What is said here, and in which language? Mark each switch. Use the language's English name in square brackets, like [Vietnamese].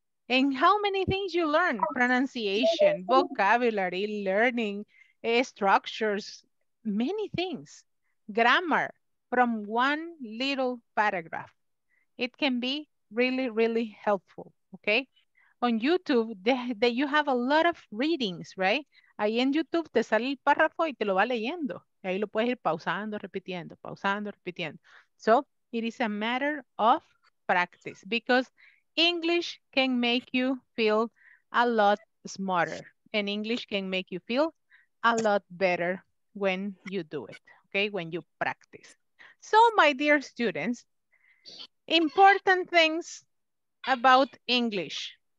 [English] And how many things you learn? Pronunciation, vocabulary, learning, structures, many things. Grammar from one little paragraph. It can be really, really helpful, okay? On YouTube, they you have a lot of readings, right? [Spanish] Ahí en YouTube te sale el párrafo y te lo va leyendo. Y ahí lo puedes ir pausando, repitiendo. [English] So, it is a matter of practice because English can make you feel a lot smarter and English can make you feel a lot better when you do it, okay? When you practice. So, my dear students, important things about English.